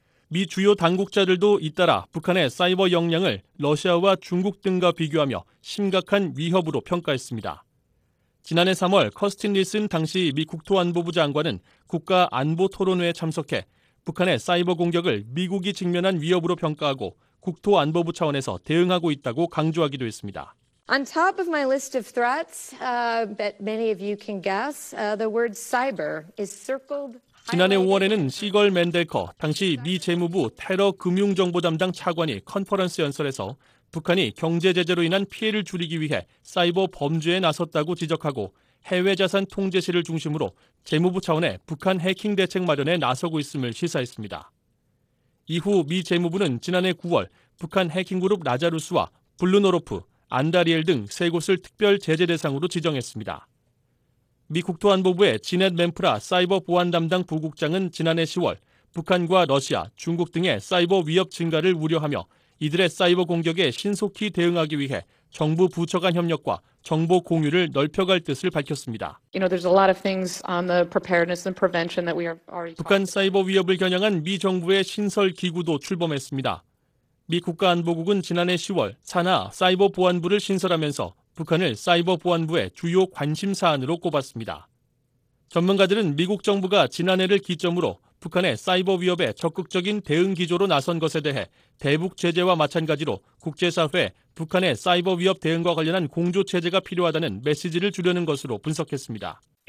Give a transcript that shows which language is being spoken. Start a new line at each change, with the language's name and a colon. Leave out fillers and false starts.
Korean: 미 주요 당국자들도 잇따라 북한의 사이버 역량을 러시아와 중국 등과 비교하며 심각한 위협으로 평가했습니다. 지난해 3월 커스틴 닐슨 당시 미 국토안보부 장관은 국가안보토론회에 참석해 북한의 사이버 공격을 미국이 직면한 위협으로 평가하고 국토안보부 차원에서 대응하고 있다고 강조하기도 했습니다.
English: On top of my list of threats, that many of you can guess, the word cyber is circled.
Korean: 지난해 5월에는 시걸 맨델커 당시 미 재무부 테러 금융 정보 담당 차관이 컨퍼런스 연설에서 북한이 경제 제재로 인한 피해를 줄이기 위해 사이버 범죄에 나섰다고 지적하고 해외 자산 통제실을 중심으로 재무부 차원의 북한 해킹 대책 마련에 나서고 있음을 시사했습니다. 이후 미 재무부는 지난해 9월 북한 해킹 그룹 라자루스와 블루노로프, 안다리엘 등 세 곳을 특별 제재 대상으로 지정했습니다. 미 국토안보부의 지넷 맨프라 사이버 보안 담당 부국장은 지난해 10월 북한과 러시아, 중국 등의 사이버 위협 증가를 우려하며 이들의 사이버 공격에 신속히 대응하기 위해 정부 부처 간 협력과 정보 공유를 넓혀갈 뜻을 밝혔습니다.
English: You know, there's a lot of things on the preparedness and prevention that we are already.
Korean: 북한 사이버 위협을 겨냥한 미 정부의 신설 기구도 출범했습니다. 미 국가안보국은 지난해 10월 산하 사이버 보안부를 신설하면서 북한을 사이버 보안부의 주요 관심 사안으로 꼽았습니다. 전문가들은 미국 정부가 지난해를 기점으로 북한의 사이버 위협에 적극적인 대응 기조로 나선 것에 대해 대북 제재와 마찬가지로 국제사회에 북한의 사이버 위협 대응과 관련한 공조 체제가 필요하다는 메시지를 주려는 것으로 분석했습니다.